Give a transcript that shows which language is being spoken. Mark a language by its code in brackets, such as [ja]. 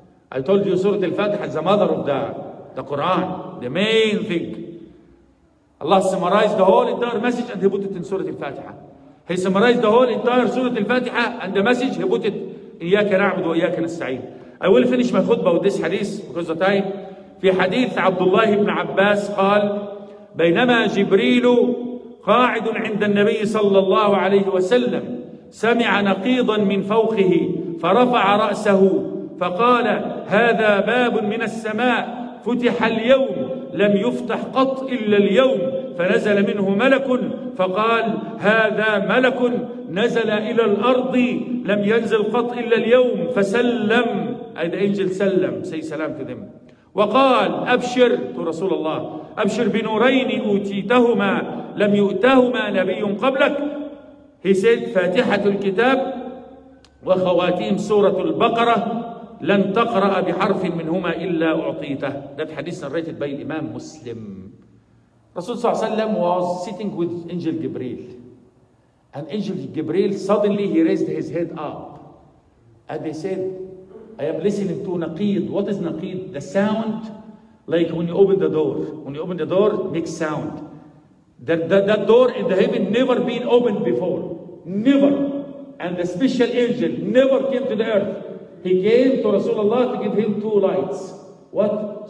[en] I told you Surah Al-Fatiha is the mother of the Quran, the main thing. Allah summarized the whole entire message and He put it in Surah Al-Fatiha. He summarized the whole entire Surah Al-Fatiha and the message He put it in Iyaka Na'budu wa Iyaka Nasta'in. I will finish my khutbah with this hadith because of time. [ar] في حديث عبد الله بن عباس قال بينما جبريل قاعد عند النبي صلى الله عليه وسلم سمع نقيضا من فوقه فرفع رأسه فقال هذا باب من السماء فتح اليوم لم يفتح قط إلا اليوم فنزل منه ملك فقال هذا ملك نزل إلى الأرض لم ينزل قط إلا اليوم فسلم [en] the angel [ar] سلم say سلام to them وقال أبشر to رسول الله أبشر بنورين أوتيتهما لم يؤتهما نبي قبلك [en] he said [ar] فاتحة الكتاب وخواتيم سورة البقرة لن تقرأ بحرف منهما إلا أعطيته [en] that hadith narrated by Imam Muslim [ar] رسول صلى الله عليه وسلم [en] was sitting with angel Gabriel and angel Gabriel suddenly he raised his head up and they said I am listening to naqid. What is naqid? The sound, like when you open the door. When you open the door, it makes sound. That door in the heaven never been opened before. Never. And the special angel never came to the earth. He came to Rasulullah to give him two lights. What?